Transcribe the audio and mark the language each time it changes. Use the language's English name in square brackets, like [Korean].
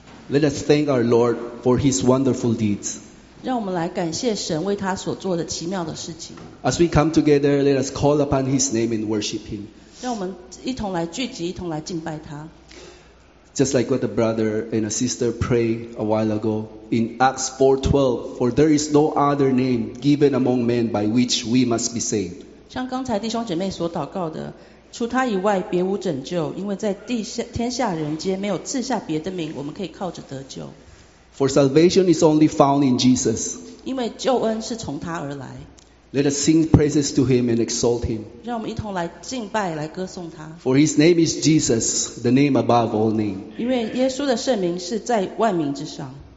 [English] Let us thank our Lord for His wonderful deeds. [Chinese] 让我们来感谢神为他所做的奇妙的事情. [English] As we come together, let us call upon His name and worship Him. [Chinese] 让我们一同来聚集, 一同来敬拜他. [English] Just like what a brother and a sister prayed a while ago in Acts 4:12, for there is no other name given among men by which we must be saved. [Chinese] 像刚才弟兄姐妹所祷告的, 除他以外别无拯救，因为在地下天下人皆没有赐下别的名，我们可以靠着得救。 [English] For salvation is only found in Jesus. [Chinese] 因为救恩是从他而来。 [English] Let us sing praises to Him and exalt Him. [Chinese] 让我们一同来敬拜，来歌颂他。 [English] For His name is Jesus, the name above all names. [Chinese] 因为耶稣的圣名是在万名之上。